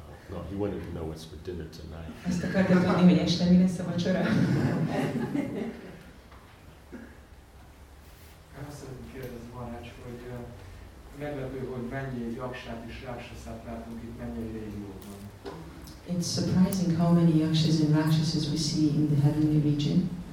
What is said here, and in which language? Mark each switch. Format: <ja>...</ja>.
<en>No, he wanted to know what's for dinner tonight.</en> <hu>Azt akartam tudni, hogy este mi lesz a vacsora. Azt szeretném kérdezni, Marács, hogy meglepő, hogy mennyi yaksát és rákszaszát látunk itt, mennyi régióban.</hu> <en>It's surprising how many yakshas and rakshasas we see in the heavenly region.</en>